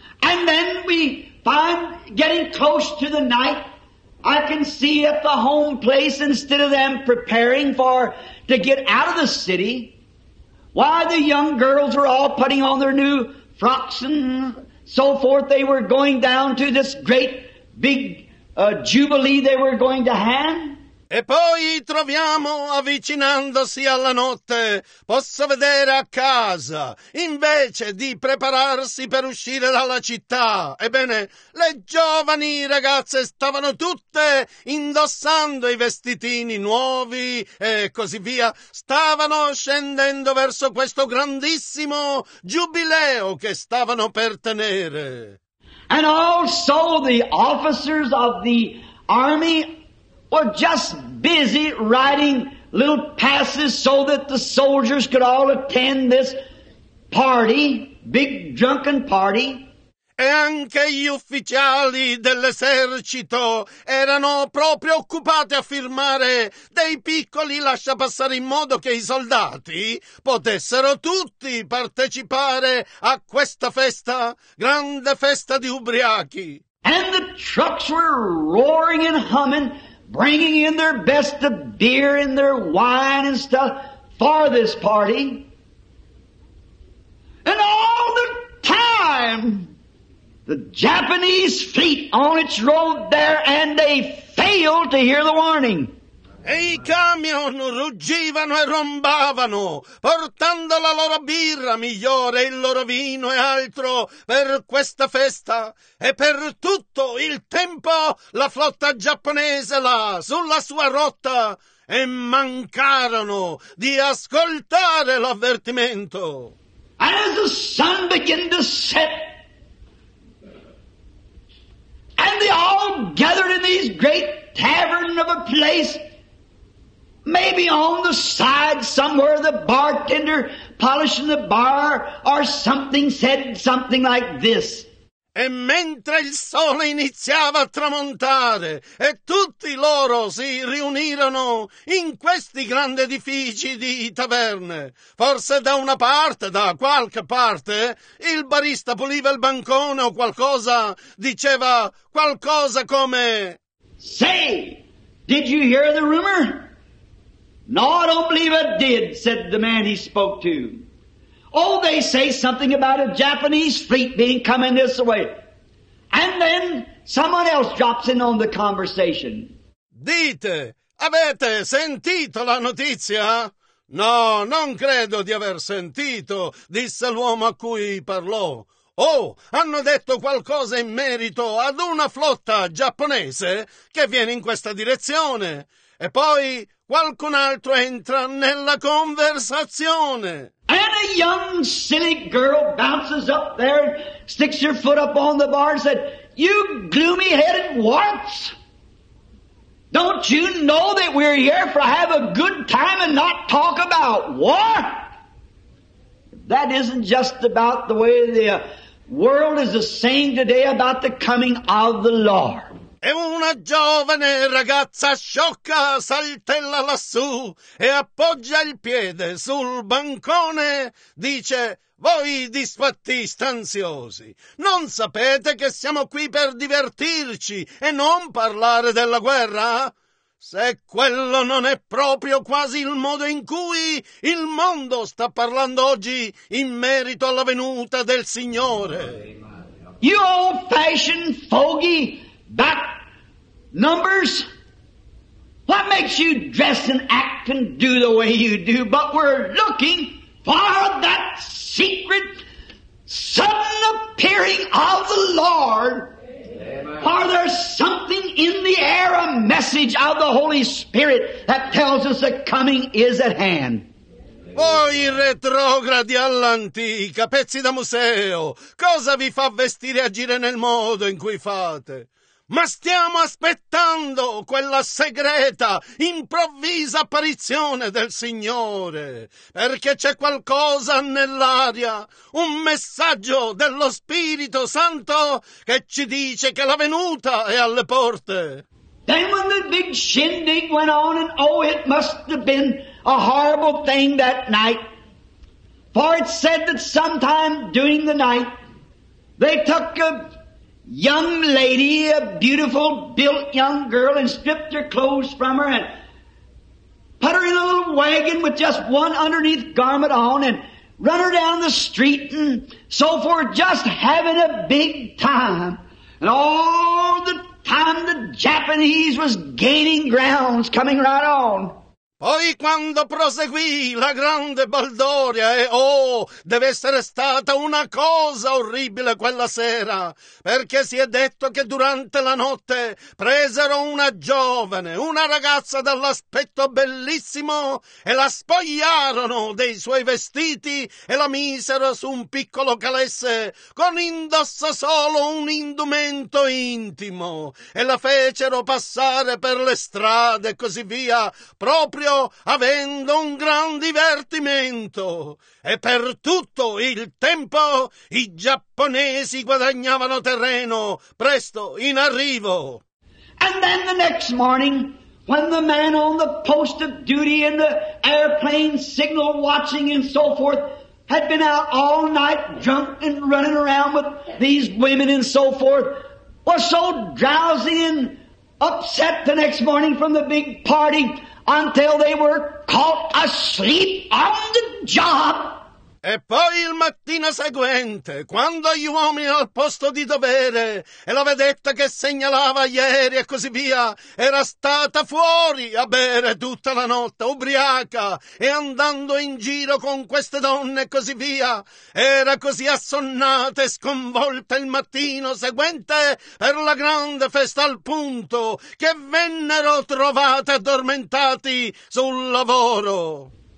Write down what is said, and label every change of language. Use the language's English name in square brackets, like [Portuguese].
[English] And then we find, getting close to the night, I can see at the home place, instead of them preparing for to get out of the city, why, the young girls were all putting on their new frocks and so forth. They were going down to this great big jubilee they were going to have. [Italian] E poi troviamo, avvicinandosi alla notte, posso vedere a casa, invece di prepararsi per uscire dalla città, ebbene, le giovani ragazze stavano tutte indossando i vestitini nuovi e così via, stavano scendendo verso questo grandissimo giubileo che stavano per tenere. [English] And also the officers of the army were just busy writing little passes so that the soldiers could all attend this party, big drunken party. [Italian] E anche gli ufficiali dell'esercito erano proprio occupati a firmare dei piccoli lasciapassare in modo che i soldati potessero tutti partecipare a questa festa, grande festa di ubriachi. [English] And the trucks were roaring and humming, bringing in their best of beer and their wine and stuff for this party. And all the time, the Japanese fleet on its road there, and they failed to hear the warning. [Italian] E i camion ruggivano e rombavano, portando la loro birra migliore, il loro vino e altro per questa festa. E per tutto il tempo la flotta giapponese là sulla sua rotta, e mancarono di ascoltare l'avvertimento. [English] As the sun began to set, and they all gathered in these great tavern of a place, maybe on the side somewhere, the bartender polishing the bar or something said something like this. [Italian] E mentre il sole iniziava a tramontare e tutti loro si riunirono in questi grandi edifici di taverne, forse da una parte, da qualche parte, il barista puliva il bancone o qualcosa, diceva qualcosa come... [English] Say, did you hear the rumor? No, I don't believe it did, said the man he spoke to. Oh, they say something about a Japanese fleet being coming this way. And then someone else drops in on the conversation. [Italian] Dite, avete sentito la notizia? No, non credo di aver sentito, disse l'uomo a cui parlò. Oh, hanno detto qualcosa in merito ad una flotta giapponese che viene in questa direzione. E poi qualcun altro entra nella conversazione. [English] And a young silly girl bounces up there, sticks her foot up on the bar and said, you gloomy-headed warts, don't you know that we're here for have a good time and not talk about war? That isn't just about the way the world is saying today about the coming of the Lord. [Italian] E una giovane ragazza sciocca saltella lassù e appoggia il piede sul bancone, dice, voi disfattisti ansiosi, non sapete che siamo qui per divertirci e non parlare della guerra? Se quello non è proprio quasi il modo in cui il mondo sta parlando oggi in merito alla venuta del Signore. [English] You old fashioned fogey! Back numbers? What makes you dress and act and do the way you do? But we're looking for that secret sudden appearing of the Lord. Amen. For there's something in the air, a message of the Holy Spirit that tells us the coming is at hand. [Italian] Voi retrogradi all'antica, pezzi da museo, cosa vi fa vestire e agire nel modo in cui fate? Ma stiamo aspettando quella segreta, improvvisa apparizione del Signore, perché c'è qualcosa nell'aria, un messaggio dello Spirito Santo che ci dice che la venuta è alle porte. [English] Then when the big shindig went on, and oh, it must have been a horrible thing that night, for it said that sometime during the night, they took a young lady, a beautiful built young girl, and stripped her clothes from her and put her in a little wagon with just one underneath garment on and run her down the street and so forth, just having a big time. And all the time the Japanese was gaining grounds, coming right on. [Italian] Poi quando proseguì la grande baldoria, e oh, deve essere stata una cosa orribile quella sera, perché si è detto che durante la notte presero una giovane, una ragazza dall'aspetto bellissimo, e la spogliarono dei suoi vestiti e la misero su un piccolo calesse con indosso solo un indumento intimo, e la fecero passare per le strade e così via, proprio avendo un gran divertimento. E per tutto il tempo i giapponesi guadagnavano terreno presto in arrivo. [English] And then the next morning, when the man on the post of duty in the airplane signal watching and so forth had been out all night drunk and running around with these women and so forth, was so drowsy and upset the next morning from the big party, until they were caught asleep on the job. [Italian] E poi il mattino seguente, quando gli uomini al posto di dovere e la vedetta che segnalava ieri e così via era stata fuori a bere tutta la notte, ubriaca, e andando in giro con queste donne e così via, era così assonnata e sconvolta il mattino seguente per la grande festa, al punto che vennero trovate addormentati sul lavoro.